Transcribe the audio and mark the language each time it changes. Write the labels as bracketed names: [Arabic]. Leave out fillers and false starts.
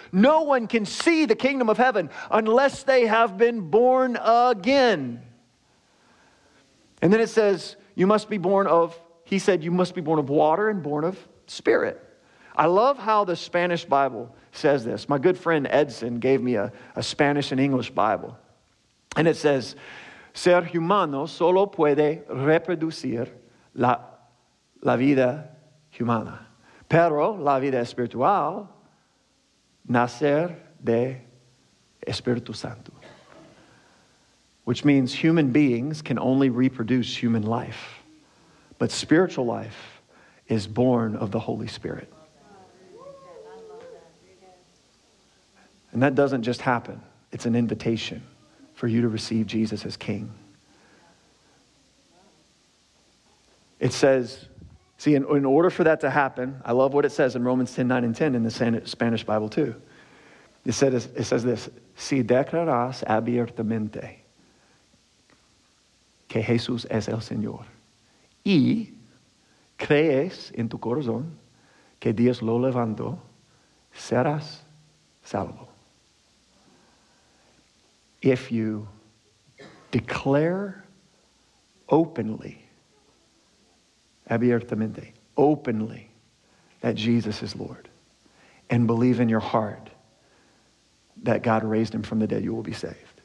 [English] No one can see the kingdom of heaven unless they have been born again. And then it says, you must be born of water and born of spirit. I love how the Spanish Bible says this. My good friend Edson gave me a Spanish and English Bible. And it says, [Spanish] ser humano solo puede reproducir la vida humana. Pero la vida espiritual nacer de Espíritu Santo. [English] Which means human beings can only reproduce human life. But spiritual life is born of the Holy Spirit. And that doesn't just happen. It's an invitation for you to receive Jesus as King. It says, see, in order for that to happen, I love what it says in Romans 10, 9, and 10 in the Spanish Bible too. It says this, [Spanish] si declaras abiertamente que Jesús es el Señor y crees en tu corazón que Dios lo levantó, serás salvo. [English] If you declare openly, abiertamente, openly, that Jesus is Lord, and believe in your heart that God raised him from the dead, you will be saved.